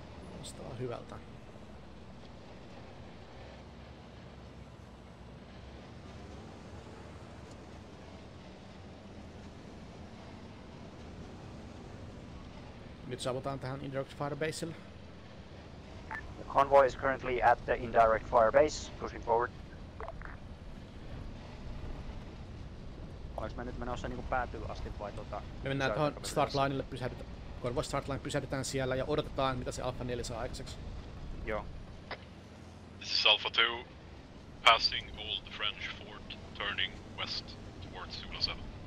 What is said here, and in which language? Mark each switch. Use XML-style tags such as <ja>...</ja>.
<fi>Kuulostaa hyvältä. Nyt saavutaan tähän indirect firebaseille.</fi> <en>Convoy is currently at the indirect firebase, pushing forward.</en> <fi>Oliks me nyt menossa niinku päätyy asti vai tota... Me mennään tuohon startlinelle, pysähdytään. Convoy startline pysähdytään siellä ja odotetaan mitä se Alpha 4 saa aikaiseksi. Joo.</fi> <en>This is Alpha 2, passing old French fort, turning west towards Zulu 7.</en>